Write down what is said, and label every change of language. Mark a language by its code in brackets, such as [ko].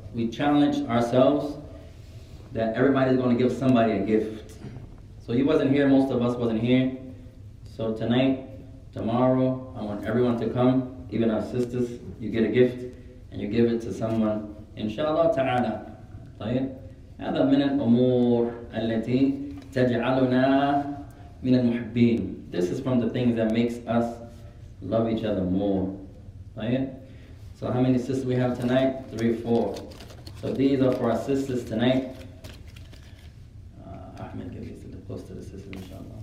[en] We challenged ourselves that everybody's going to give somebody a gift. So he wasn't here, most of us wasn't here. So tonight, tomorrow, I want everyone to come, even our sisters, you get a gift and you give it to someone. [ar] Inshallah ta'ala. هذا من الأمور التي تجعلنا من المحبين. [en] This is from the things that makes us love each other more. Right? So how many sisters we have tonight? 3, 4. So these are for our sisters tonight. Ahmed, give these to the close to the sisters, inshallah.